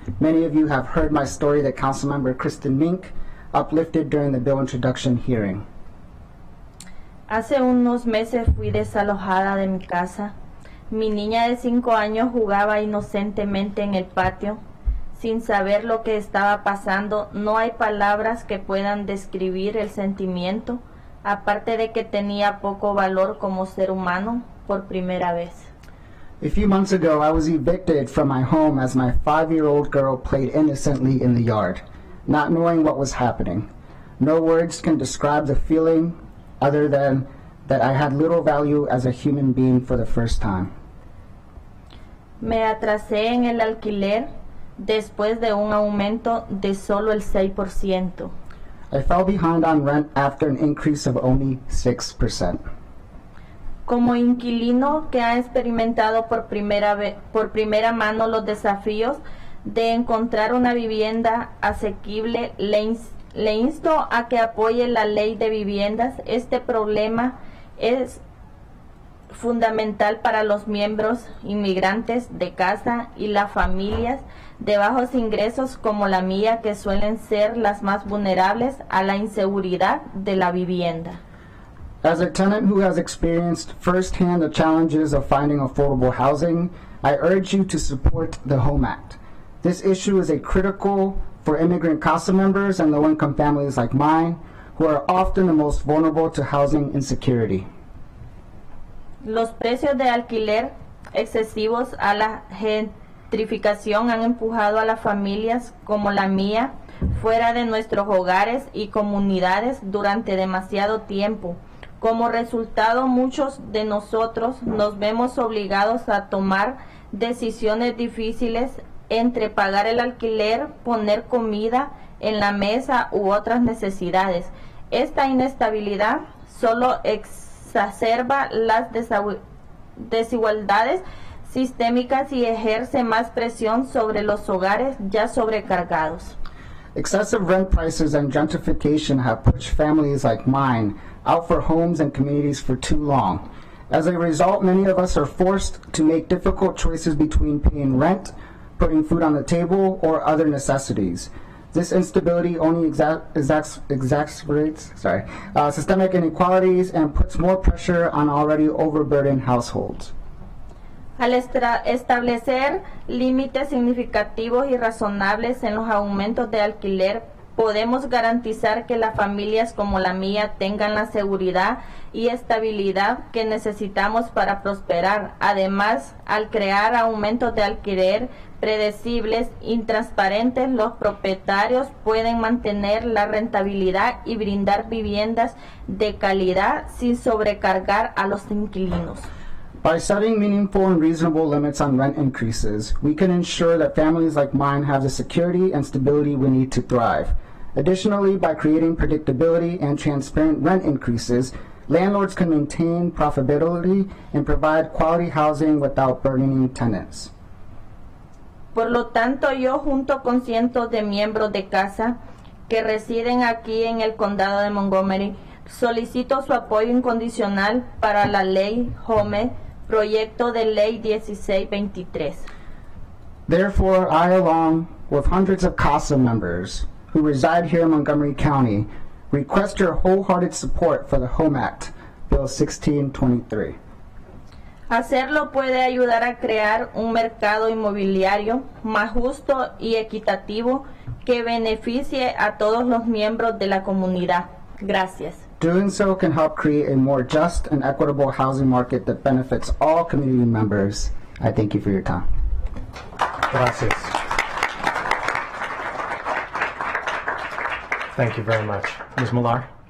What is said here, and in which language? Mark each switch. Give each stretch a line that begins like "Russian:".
English: Many of you have heard my story that Councilmember Kristen Mink uplifted during the bill introduction hearing.
Spanish: Hace unos meses fui desalojada de mi casa. Mi niña de 5 años jugaba inocentemente en el patio. Sin saber lo que estaba pasando, no hay palabras que puedan describir el sentimiento, aparte de que tenía poco valor como ser humano por primera vez.
English: A few months ago, I was evicted from my home as my 5-year-old girl played innocently in the yard, not knowing what was happening. No words can describe the feeling other than that I had little value as a human being for the first time.
Spanish: Me atrasé en el alquiler después de un aumento de solo el 6%.
English: I fell behind on rent after an increase of only 6%.
Spanish: Como inquilino que ha experimentado por primera mano los desafíos de encontrar una vivienda asequible, le insto a que apoye la ley de viviendas. Este problema es fundamental para los miembros inmigrantes de casa y las familias de bajos ingresos como la mía, que suelen ser las más vulnerables a la inseguridad de la vivienda.
English: As a tenant who has experienced firsthand the challenges of finding affordable housing, I urge you to support the Home Act. This issue is a critical for immigrant CASA members and low-income families like mine, who are often the most vulnerable to housing insecurity.
Spanish: Los precios de alquiler excesivos a la gentrificación han empujado a las familias como la mía fuera de nuestros hogares y comunidades durante demasiado tiempo. Como resultado, muchos de nosotros nos vemos obligados a tomar decisiones difíciles entre pagar el alquiler, poner comida en la mesa u otras necesidades. Esta inestabilidad solo exacerba las desigualdades sistémicas y ejerce más presión sobre los hogares ya sobrecargados.
English: Excessive rent prices and gentrification have pushed families like mine out for homes and communities for too long. As a result, many of us are forced to make difficult choices between paying rent, putting food on the table, or other necessities. This instability only exacerbates systemic inequalities and puts more pressure on already overburdened households.
Spanish: Al establecer límites significativos y razonables en los aumentos de alquiler, podemos garantizar que las familias como la mía tengan la seguridad y estabilidad que necesitamos para prosperar. Además, al crear aumentos de alquiler predecibles y transparentes, los propietarios pueden mantener la rentabilidad y brindar viviendas de calidad sin sobrecargar a los inquilinos.
English: By setting meaningful and reasonable limits on rent increases, we can ensure that families like mine have the security and stability we need to thrive. Additionally, by creating predictability and transparent rent increases, landlords can maintain profitability and provide quality housing without burdening tenants.
Spanish: Por lo tanto, yo junto con cientos de miembros de casa que residen aquí en el condado de Montgomery, solicito su apoyo incondicional para la ley HOME, proyecto de ley 1623.
English: Therefore, I, along with hundreds of CASA members, who reside here in Montgomery County, request your wholehearted support for the HOME Act, Bill 1623.
Spanish: Hacerlo puede ayudar a crear un mercado inmobiliario más justo y equitativo que beneficie a todos los miembros de la comunidad. Gracias.
English: Doing so can help create a more just and equitable housing market that benefits all community members. I thank you for your time.
Spanish: Gracias.
English: Thank you very much. Ms. Millar.